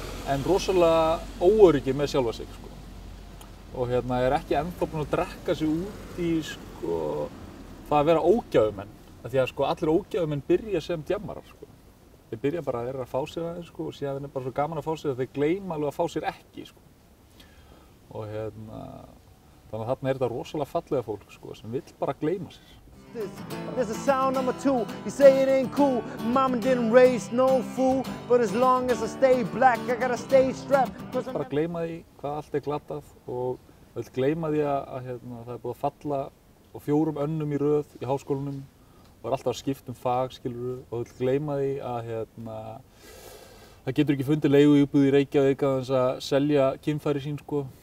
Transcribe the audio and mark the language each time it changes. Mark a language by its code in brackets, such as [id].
[is] En rosalega óöryggir með sjálfa sig, sko. Og hérna er ekki ennþá búin að drekka sig út í sko það að vera ógæfumenn. Af því að sko allir ógæfumenn byrja sem djammarar, sko. Þeir byrja bara að vera að fá sér aðeins, sko, og síðan er bara svo gaman að fá sér að þeir gleyma alveg að fá sér ekki, sko. Og hérna, þannig að þarna er þetta rosalega fallega fólk, sko, sem vill bara gleyma sér. [en] There's a sound number two, you say it ain't cool. Mama didn't raise no fool, but as long as I stay black, I gotta stay strapped. [is] Bara gleyma því hvað allt er glatað og vill gleyma því að hérna, það er búið að falla og fjórum önnum í röð í háskólanum. Það er alltaf að skipta fag, skilurðu, og þú vill gleyma því að hérna, það getur ekki fundið leiguíbúð í Reykjavík að þess að selja kynfæri sín, sko.